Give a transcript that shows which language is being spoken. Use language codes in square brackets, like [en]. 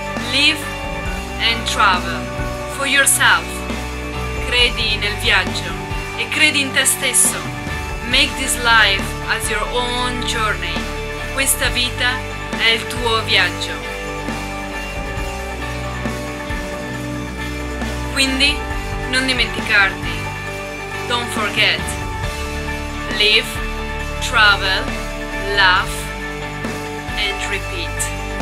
[en] Live and travel for yourself. [it] Credi nel viaggio e credi in te stesso. [en] Make this life as your own journey. [it] Questa vita è il tuo viaggio. Quindi, non dimenticarti. [en] Don't forget. Live, travel, laugh, and repeat.